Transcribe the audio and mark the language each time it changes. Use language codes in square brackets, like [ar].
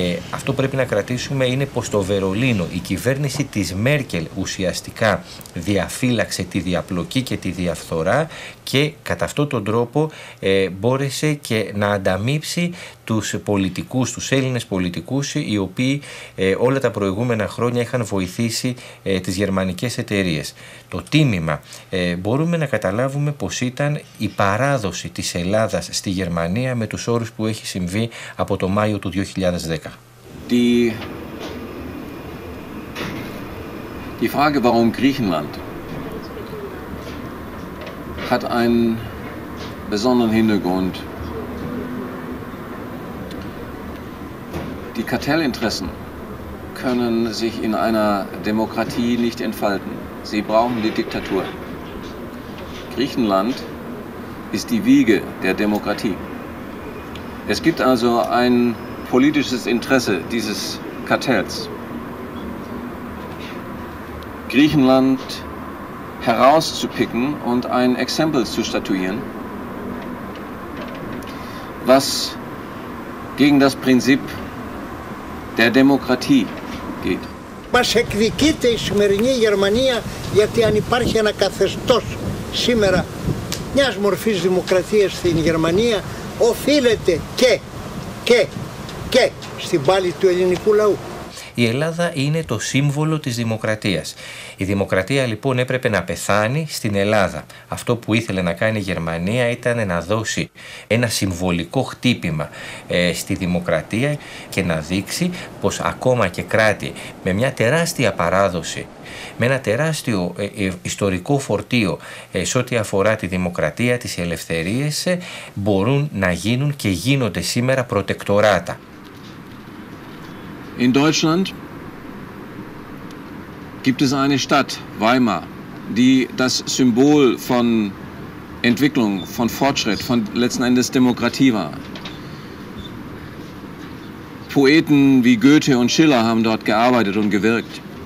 [el] Αυτό πρέπει να κρατήσουμε είναι πως το Βερολίνο, η κυβέρνηση της Μέρκελ ουσιαστικά διαφύλαξε τη διαπλοκή και τη διαφθορά και κατά αυτόν τον τρόπο μπόρεσε και να ανταμείψει τους πολιτικούς, τους Έλληνες πολιτικούς οι οποίοι όλα τα προηγούμενα χρόνια είχαν βοηθήσει τις γερμανικές εταιρείες. Το τίμημα μπορούμε να καταλάβουμε πως ήταν η παράδοση της Ελλάδας στη Γερμανία με τους όρους που έχει συμβεί από το Μάιο του 2010. [de] Die Frage, warum Griechenland, hat einen besonderen Hintergrund. Die Kartellinteressen können sich in einer Demokratie nicht entfalten. Sie brauchen die Diktatur. Griechenland ist die Wiege der Demokratie. Es gibt also ein politisches Interesse dieses Kartells, Griechenland herauszupicken und ein Exempel zu statuieren, was gegen das Prinzip der Demokratie geht. [el] Μας εκδικείται η σημερινή Γερμανία γιατί αν υπάρχει ένα καθεστώς σήμερα μιας μορφής δημοκρατίας στην Γερμανία οφείλεται και στην πάλη του ελληνικού λαού. Η Ελλάδα είναι το σύμβολο της δημοκρατίας. Η δημοκρατία λοιπόν έπρεπε να πεθάνει στην Ελλάδα. Αυτό που ήθελε να κάνει η Γερμανία ήταν να δώσει ένα συμβολικό χτύπημα στη δημοκρατία και να δείξει πως ακόμα και κράτη με μια τεράστια παράδοση, με ένα τεράστιο ιστορικό φορτίο σε ό,τι αφορά τη δημοκρατία, τις ελευθερίες, μπορούν να γίνουν και γίνονται σήμερα προτεκτοράτα. [de] In Deutschland gibt es eine Stadt, Weimar, die das Symbol von Entwicklung, von Fortschritt, von letzten Endes Demokratie war. Poeten wie Goethe und Schiller haben dort gearbeitet und gewirkt.